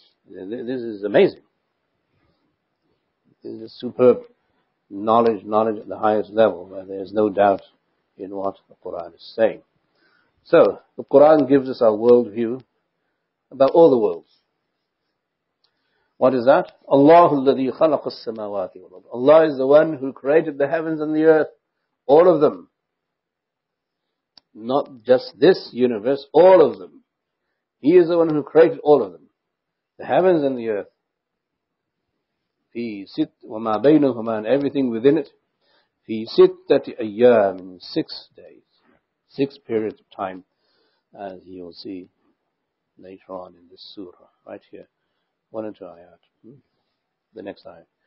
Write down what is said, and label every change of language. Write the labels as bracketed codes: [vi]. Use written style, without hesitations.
[en] This is amazing. This is superb knowledge at the highest level, where there is no doubt in what the Quran is saying. So, the Quran gives us our world view about all the worlds. What is that? [ar] Allah الذي خلق السماوات والأرض. [en] Allah is the one who created the heavens and the earth, all of them. Not just this universe, all of them. He is the one who created all of them, the heavens and the earth. [ar] في ست وما بينهما [en] and everything within it. [ar] في ستة أيام, [en] 6 days, 6 periods of time, as you will see later on in this surah, right here. 1 and 2 ayat. The next ayat.